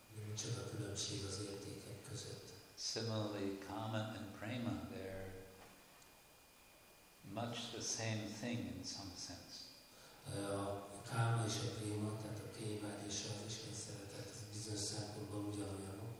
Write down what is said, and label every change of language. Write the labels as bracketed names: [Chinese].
[Hungarian] Micsoda különbség az értékek között. [English] Similarly, kama and prema, they're much the same thing in some sense. [Hungarian] A kama és a prema, tehát a kémád és az Isten szeretet, ez bizonyos szempontból ugyanolyan.